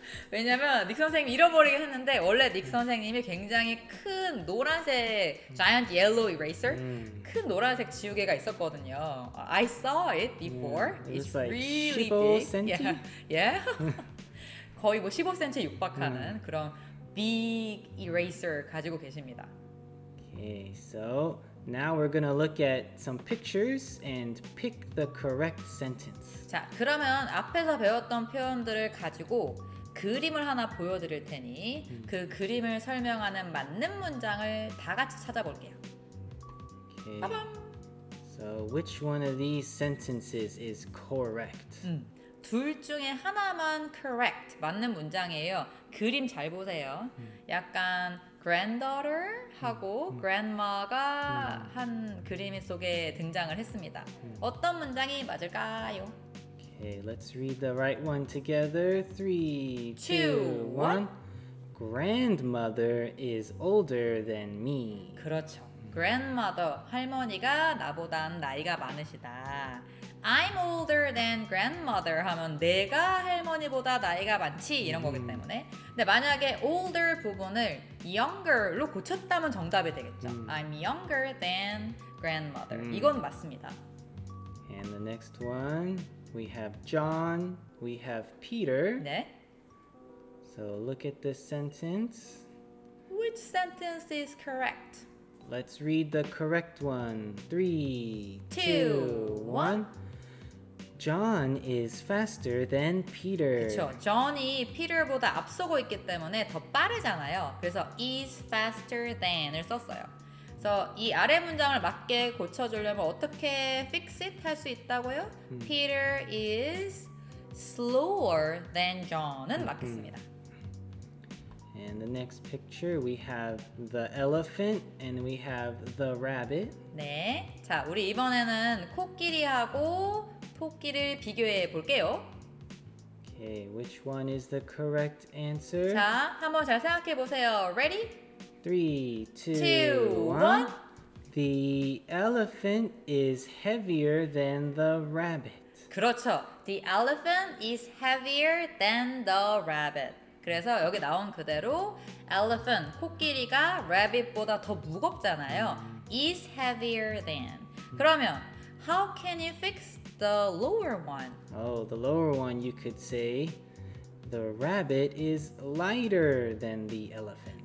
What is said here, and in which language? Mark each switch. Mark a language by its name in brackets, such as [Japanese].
[Korean] 왜냐면 닉 선생님 잃어버리긴 했는데 원래 닉 선생님이 굉장히 큰 노란색 [English] giant yellow eraser, [Korean] 큰 노란색 지우개가 있었거든요. [English] I saw it before. It's like really 15cm? big. Yeah. Yeah. [Korean] 거의 뭐 15cm 육박하는 그런 [English] big eraser [Korean] 가지고 계십니다. [English] Okay, so now we're gonna look at some pictures and pick the correct sentence. [Korean] 자, 그러면 앞에서 배웠던 표현들을 가지고 그림을 하나 보여드릴 테니 그 그림을 설명하는 맞는 문장을 다 같이 찾아볼게요. Okay. 빠밤! [English] So which one of these sentences is correct? [Korean] 둘 중에 하나만 correct, 맞는 문장이에요. 그림 잘 보세요. 약간 granddaughter 하고 grandma가 한 그림 속에 등장을 했습니다. 어떤 문장이 맞을까요? [English] Okay, let's read the right one together. 3, 2, 1. Grandmother is older than me. [Korean] 그렇죠. Grandmother, 할머니가 나보단 나이가 많으시다. [English] I'm older than grandmother [Korean] 하면 내가 할머니보다 나이가 많지 이런 거기 때문에 근데 만약에 older 부분을 younger로 고쳤다면 정답이 되겠죠. [English] I'm younger than grandmother. [Korean] 이건 맞습니다. [English] And the next one, we have John, we have Peter. [Korean] 네. [English] So look at this sentence. Which sentence is correct? Let's read the correct one. 3, 2, 1. John is faster than Peter. [Korean] 그렇죠. John이 Peter보다 앞서고 있기 때문에 더 빠르잖아요. 그래서 [English] is faster than [Korean] 을 썼어요. 그래서 이 아래 문장을 맞게 고쳐주려면 어떻게 [English] fix it [Korean] 할 수 있다고요? [English] Peter is slower than John은 [Korean] 맞겠습니다. [English] And the next picture, we have the elephant and we have the rabbit. [Korean] 네, 자 우리 이번에는 코끼리하고 토끼를 비교해 볼게요. [English] Okay, which one is the correct answer? [Korean] 자, 한번 잘 생각해 보세요. [English] Ready? 3, 2, 1. The elephant is heavier than the rabbit. [Korean] 그렇죠. [English] The elephant is heavier than the rabbit. [Korean] 그래서 여기 나온 그대로 elephant, 코끼리가 rabbit보다 더 무겁잖아요. [English] Is heavier than. [Korean] 그러면 [English] how can you fix the lower one? Oh, the lower one, you could say the rabbit is lighter than the elephant.